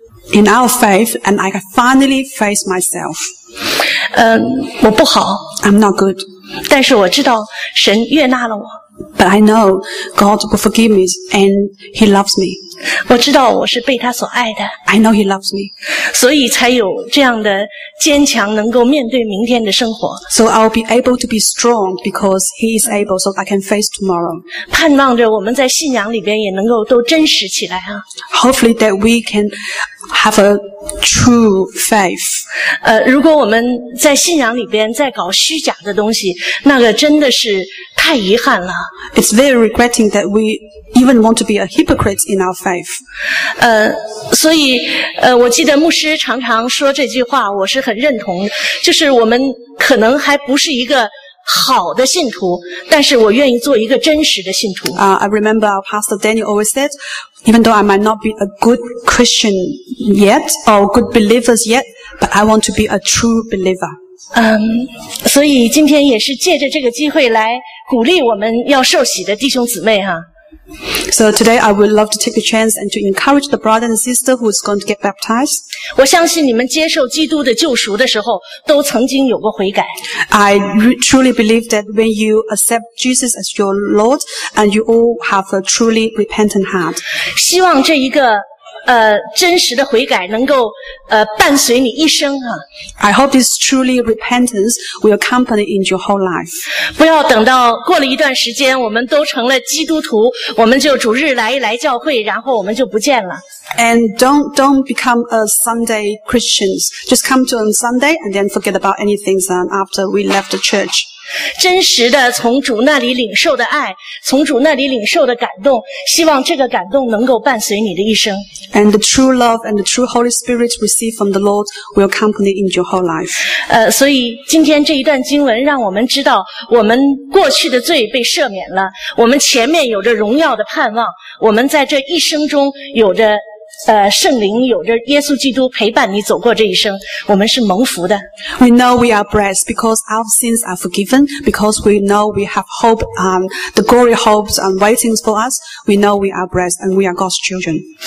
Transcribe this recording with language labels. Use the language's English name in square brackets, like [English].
[English] In our faith, and I finally face myself. [Chinese] 我不好。 [English] I'm not good. [Chinese] 但是我知道神悦纳了我。 [English] But I know God will forgive me and He loves me. [Chinese] 我知道我是被他所爱的。 [English] I know he loves me. [Chinese] 所以才有这样的坚强，能够面对明天的生活。 [English] So I'll be able to be strong because he is able, so I can face tomorrow. [Chinese] 盼望着我们在信仰里边也能够都真实起来啊。 [English] Hopefully that we can have a true faith. [Chinese] 如果我们在信仰里边再搞虚假的东西，那个真的是太遗憾了。 [English] It's very regretting that we even want to be a hypocrite in our faith. [Chinese] 所以我记得牧师常常说这句话，我是很认同，就是我们可能还不是一个好的信徒，但是我愿意做一个真实的信徒。 [English] I remember our pastor Daniel always said, even though I might not be a good Christian yet or good believers yet, but I want to be a true believer. [Chinese] 所以今天也是借着这个机会来鼓励我们要受洗的弟兄姊妹哈。 [English] So today I would love to take the chance and to encourage the brother and sister who is going to get baptized. [Chinese] 我相信你们接受基督的救赎的时候都曾经有过悔改。 [English] I truly believe that when you accept Jesus as your Lord and you all have a truly repentant heart. [Chinese] 希望这一个真实的悔改能够伴随你一生啊。 [English] I hope this truly repentance will accompany in your whole life. [Chinese] 不要等到过了一段时间我们都成了基督徒，我们就主日来一来教会，然后我们就不见了。 [English] And don't become a Sunday Christians. Just come to on Sunday and then forget about anything after we left the church. [Chinese] 真实的从主那里领受的爱，从主那里领受的感动，希望这个感动能够伴随你的一生。 [English] And the true love and the true Holy Spirit received from the Lord will accompany in your whole life. [Chinese] 所以今天这一段经文让我们知道，我们过去的罪被赦免了，我们前面有着荣耀的盼望，我们在这一生中有着圣灵，有着耶稣基督陪伴你走过这一生，我们是蒙福的。 [English] We know we are blessed because our sins are forgiven, because we know we have hope, the glory hopes and waiting for us. We know we are blessed and we are God's children.